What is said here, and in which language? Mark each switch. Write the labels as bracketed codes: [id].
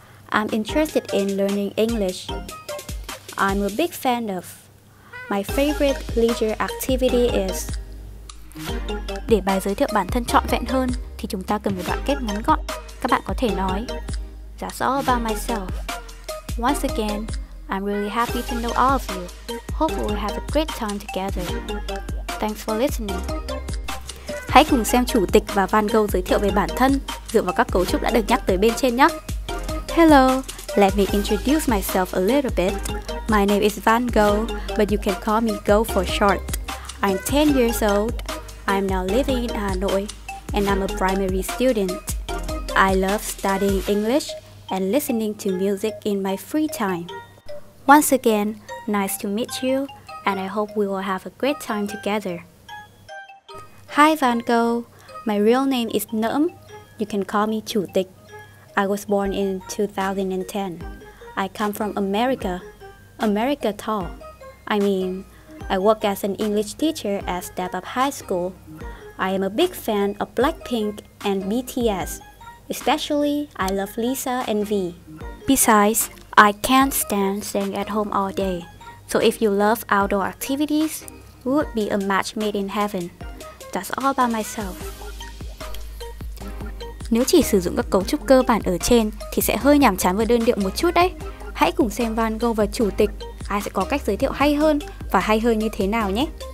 [en] I'm interested in learning English. I'm a big fan of. My favorite leisure activity is. [vi] Để bài giới thiệu bản thân trọn vẹn hơn thì chúng ta cần một đoạn kết ngắn gọn. Các bạn có thể nói [en] That's all about myself. Once again, I'm really happy to know all of you. Hope we'll have a great time together. Thanks for listening. [vi] Hãy cùng xem Chủ tịch và Van Gogh giới thiệu về bản thân dựa vào các cấu trúc đã được nhắc tới bên trên nhé. [en] Hello, let me introduce myself a little bit. My name is Van Gogh, but you can call me Go for short. I'm 10 years old. I'm now living in Hanoi, and I'm a primary student. I love studying English and listening to music in my free time. Once again, nice to meet you, and I hope we will have a great time together. Hi Van Gogh, my real name is Nguyễn. You can call me Chủ tịch. I was born in 2010. I come from America. America tall. I mean, I work as an English teacher at Step Up High School. I am a big fan of Blackpink and BTS. Especially, I love Lisa and V. Besides, I can't stand staying at home all day. So if you love outdoor activities, we would be a match made in heaven. That's all by myself. [vi] Nếu chỉ sử dụng các cấu trúc cơ bản ở trên thì sẽ hơi nhàm chán và đơn điệu một chút đấy. Hãy cùng xem Van Gogh và Chủ tịch ai sẽ có cách giới thiệu hay hơn và hay hơn như thế nào nhé.